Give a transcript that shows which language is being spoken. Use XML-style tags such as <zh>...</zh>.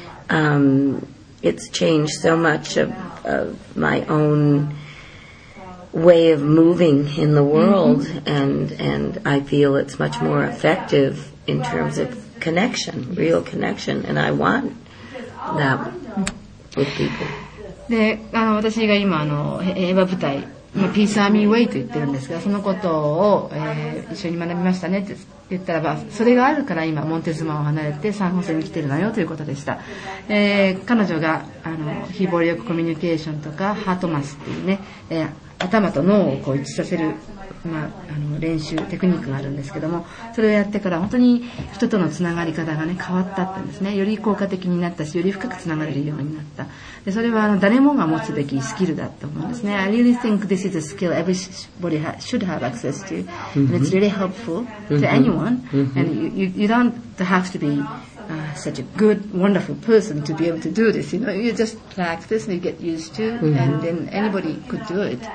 <en>It's changed so much of my own way of moving in the world, mm-hmm. and I feel it's much more effective in terms of connection, real connection, and I want that with people.</en> <ja>で、あの、私が今あの、エヴァ舞台、ピースアーミーウェイと言ってるんですが、そのことを、一緒に学びましたねって言ったらば、それがあるから今モンテズマを離れてサンホセに来てるのよということでした。彼女が、あの、非暴力コミュニケーションとか、ハートマスっていうね、頭と脳をこう一致させる、まあ、あの練習テクニックがあるんですけども、それをやってから本当に人とのつながり方がね変わったってんですね。より効果的になったし、より深くつながれるようになった。でそれはあの誰もが持つべきスキルだと思うんですね。</ja> <en>I really think this is a skill everybody should have access to, and it's really helpful to anyone, and you don't have to beSuch a good, wonderful person to be able to do this. You know, you just practice and you get used to, and then anybody could do it.</en>